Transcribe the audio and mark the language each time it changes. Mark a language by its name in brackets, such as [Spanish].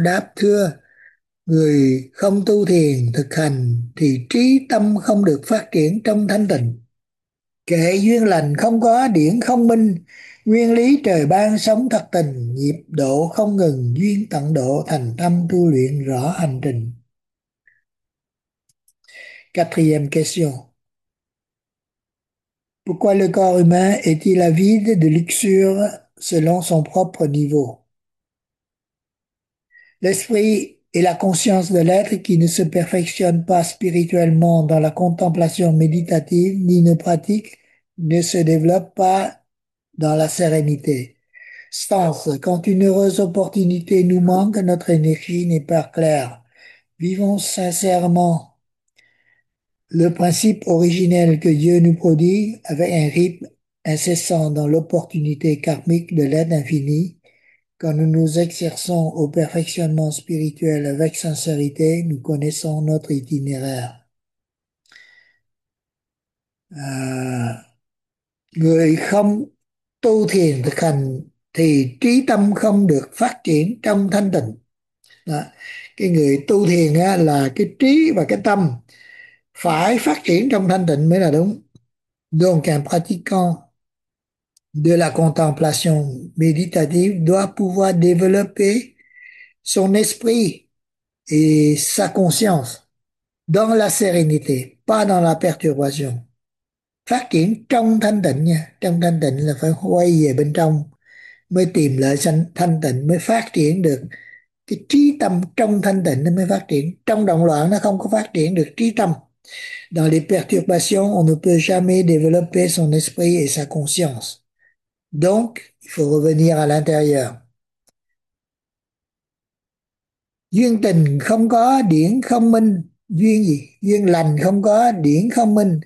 [Vietnamese] Đáp: thưa, người không tu thiền thực hành thì trí tâm không được phát triển trong thanh tịnh. Kệ duyên lành không có, điển không minh, nguyên lý trời ban sống thật tình, nhịp độ không ngừng, duyên tận độ, thành tâm tu luyện rõ hành trình. [French] Quatrième question: pourquoi le corps humain est-il avide de luxure selon son propre niveau? L'esprit et la conscience de l'être qui ne se perfectionne pas spirituellement dans la contemplation méditative ni nos pratiques ne se développe pas dans la sérénité. Stance, quand une heureuse opportunité nous manque, notre énergie n'est pas claire. Vivons sincèrement le principe originel que Dieu nous produit avec un rythme incessant dans l'opportunité karmique de l'aide infinie. Quand nous nous exerçons au perfectionnement spirituel avec sincérité, nous connaissons notre itinéraire. [Vietnamese] Người không tu thiền thực hành thì trí tâm không được phát triển trong thanh tịnh. Đó. Cái người tu thiền á, là cái trí và cái tâm phải phát triển trong thanh tịnh mới là đúng. [French] Donc un pratiquant de la contemplation méditative doit pouvoir développer son esprit et sa conscience dans la sérénité, pas dans la perturbation. [Vietnamese] Phát triển trong thanh tịnh nha, trong thanh tịnh là phải quay về bên trong mới tìm lại thanh tịnh, mới phát triển được cái trí tâm trong thanh tịnh, nó mới phát triển. Trong động loạn nó không có phát triển được trí tâm. [French] Dans les perturbations, on ne peut jamais développer son esprit et sa conscience. Donc, il faut revenir à l'intérieur. [Vietnamese] Duyên tình không có, điển không minh. Duyên gì? Duyên lành không có, điển không minh.